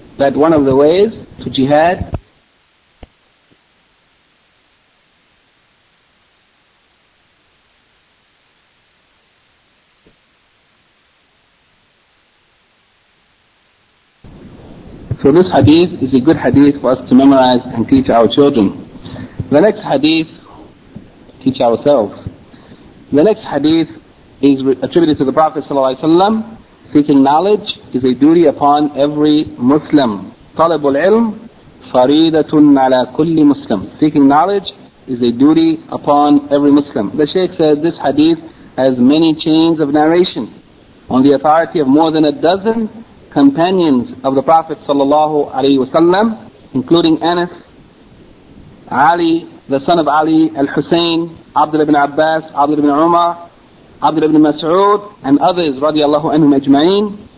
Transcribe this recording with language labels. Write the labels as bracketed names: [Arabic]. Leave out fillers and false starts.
[English] That one of the ways to jihad, so this hadith is a good hadith for us to memorize and teach our children. The next hadith, teach ourselves. The next hadith is attributed to the Prophet ﷺ. Seeking knowledge is a duty upon every Muslim. [Arabic] طلب العلم فريدة على كل مسلم. [English] Seeking knowledge is a duty upon every Muslim. The Shaykh said this hadith has many chains of narration on the authority of more than a dozen companions of the Prophet sallallahu alayhi wasallam, including Anas, Ali, the son of Ali, Al-Husayn, Abdul ibn Abbas, Abdul ibn Umar, Abdul ibn Mas'ud, and others, radiallahu anhum ajma'in.